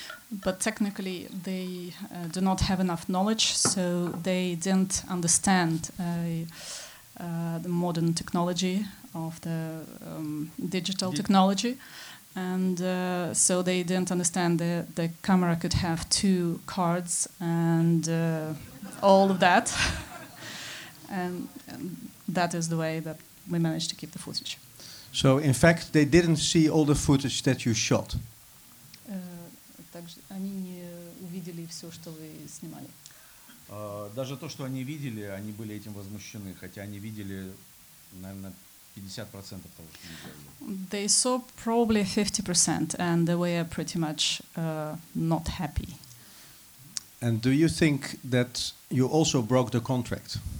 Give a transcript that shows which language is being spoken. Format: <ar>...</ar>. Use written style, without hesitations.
<en>But technically they do not have enough knowledge, so they didn't understand the modern technology of the digital technology, and so they didn't understand that the camera could have two cards and all of that. And that is the way that we managed to keep the footage. So, in fact, they didn't see all the footage that you shot.</en> <ru>Также они не увидели все, что вы снимали. Даже то, что они видели, они были этим возмущены, хотя они видели, наверное, 50% того, что мы делали.</ru> <en>They saw probably 50%, and they were pretty much not happy. And do you think that you also broke the contract?</en>